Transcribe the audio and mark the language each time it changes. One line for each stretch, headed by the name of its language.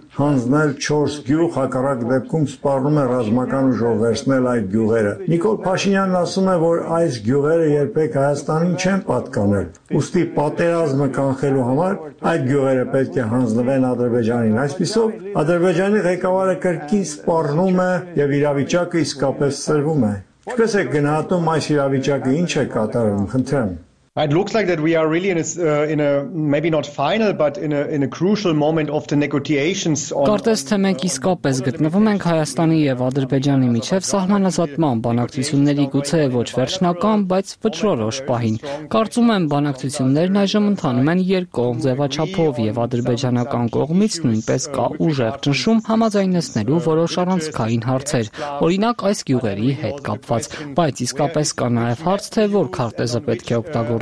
Armenian: հանձնել 4 գյուղ, հակառակ դեպքում սպառնում է ռազմական ուժով վերցնել այդ գյուղերը։ Նիկոլ Փաշինյանն ասում է, որ այս գյուղերը երբեք Հայաստանին չեն պատկանել, ուստի պատերազմը կանխելու համար այդ գյուղերը պետք է հանձնվեն Ադրբեջանին։ Այսպիսով Ադրբեջանի ղեկավարը կրկին սպառնում է եւ իրավիճակը իսկապես սրվում է։ Ինչպես է գնահատում այս իրավիճակը, ինչ է կատարվում, խնդրեմ։
English: It looks like that we are really in a maybe not final but in a crucial moment of the negotiations on
Armenian: Կարծես թե մենք իսկապես գտնվում ենք Հայաստանի եւ Ադրբեջանի միջև սահմանազատման բանակցությունների գուցե ոչ վերջնական, բայց վճռորոշ պահին։ Կարծում եմ բանակցություններն այժմ ընթանում են երկկողմ ձևաչափով եւ ադրբեջանական կողմից նույնպես կա ուժեղ ճնշում համաձայնեցնելու որոշ առանցքային հարցեր, օրինակ այս գյուղերի հետ կապված, բայց իսկապես կա նաեւ հարց, թե որ քարտեզը պետք է օգտագործվի